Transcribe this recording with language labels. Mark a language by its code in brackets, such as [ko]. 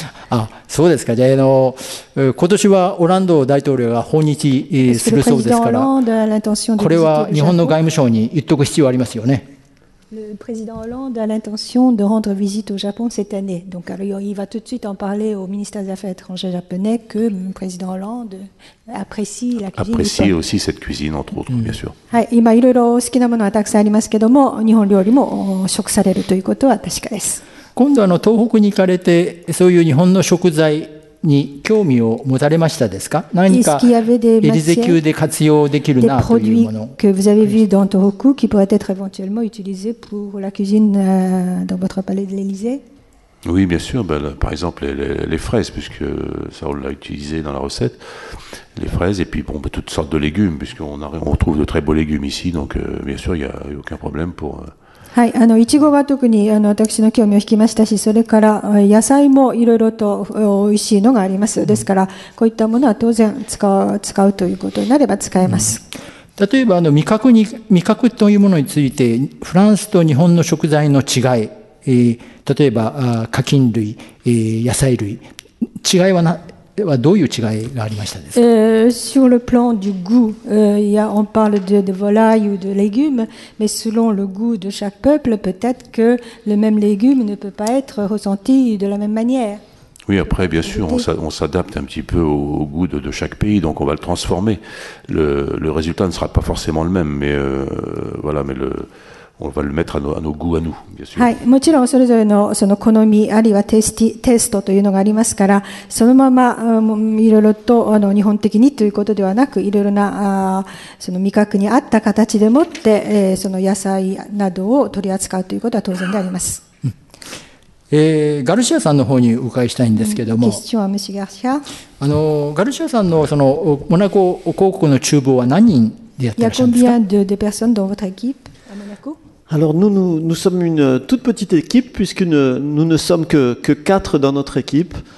[ja] Ah, そうですか。じゃあ、今年はオランド大統領が訪日するそうですから、これは日本の外務省に言っておく必要ありますよね。 [fr] Le président Hollande a l'intention de rendre visite au Japon cette année. Donc, alors, il va tout de suite en parler au ministère des Affaires étrangères japonais que le président Hollande apprécie la cuisine. Apprécie aussi cette cuisine, entre autres, bien sûr. [ja] はい、今いろいろ好きなものはたくさんありますけども、日本料理も食されるということは確かです。今度東北に行かれて、そういう日本の食材に興味を持たれましたですか？何かエリゼ宮で活用できるなというもの。 [fr] que vous avez vu dans ton cou qui pourrait être éventuellement utilisé pour la cuisine dans votre palais de l'Élysée? Oui, bien sûr. Par exemple, les fraises, puisque ça on l'a utilisé dans la recette. Les fraises et puis bon, toutes sortes de légumes, puisqu'on retrouve de très beaux légumes ici, donc bien sûr, il y a aucun problème pour. [ja] はい、いちごが特に私の興味を引きましたし、それから野菜もいろいろとおいしいのがあります。ですからこういったものは当然使うということになれば使えます。例えば味覚というものについて、フランスと日本の食材の違い、例えば花菌類、野菜類、違いはなではどういう違いがありましたですか？ [fr] Sur le plan du goût, on parle de volailles ou de légumes, mais selon le goût de chaque peuple, peut-être que le même légume ne peut pas être ressenti de la même manière. Oui, après, bien sûr, on s'adapte un petit peu au goût de chaque pays, donc on va le transformer. Le résultat ne sera pas forcément le même, mais voilà, mais le... On va le mettre à nos goûts à nous, bien sûr. [ja] はい、もちろんそれぞれのその好みあるいはテストというのがありますから、そのままいろいろと日本的にということではなく、いろいろなその味覚に合った形でもって、その野菜などを取り扱うということは当然であります。ガルシアさんの方にお伺いしたいんですけども、ガルシアさんのそのモナコ広告の厨房は何人でやってらっしゃるんですか？ [fr] Il y a combien de personnes dans votre équipe? Alors nous sommes une toute petite équipe, puisque nous ne sommes que quatre dans notre équipe.